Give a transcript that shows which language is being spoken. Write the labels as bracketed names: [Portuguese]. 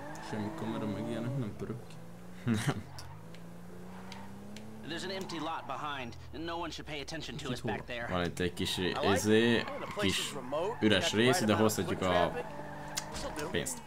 [Hungarian] Semmi kamera meg ilyenek nem pörök ki. Nem. [English] There's an empty lot behind, and no one should pay attention to us back there. [Hungarian] Van itt egy kis ezé, kis üres rész, ide hozhatjuk a pénzt.